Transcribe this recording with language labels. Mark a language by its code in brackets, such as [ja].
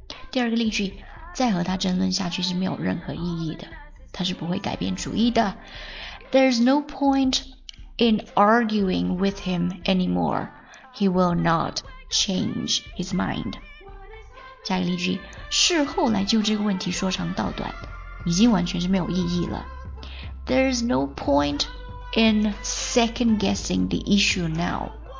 [zh] 第二个例句，再和他争论下去是没有任何意义的，他是不会改变主意的。 [en] There's no point in arguing with him anymore. He will not change his mind. [zh] 下一个例句，事后来就这个问题说长道短已经完全是没有意义了。 [en] There's no pointIn second guessing the issue now.